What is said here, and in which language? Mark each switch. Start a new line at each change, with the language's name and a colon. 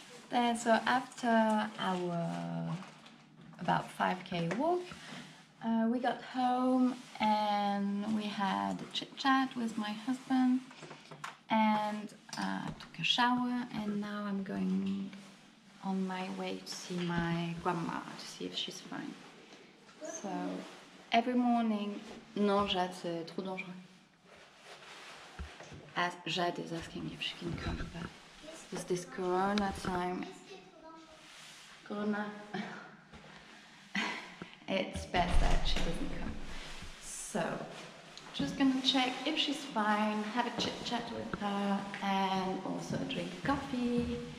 English: There, so after our about 5k walk, we got home and we had a chit chat with my husband, and took a shower, and now I'm going on my way to see my grandma to see if she's fine. So every morning,
French: non, Jade, c'est trop dangereux.
English: As Jade is asking if she can come, but it's this corona time. It's best that she doesn't come. So, just gonna check if she's fine, have a chit chat with her, and also drink coffee.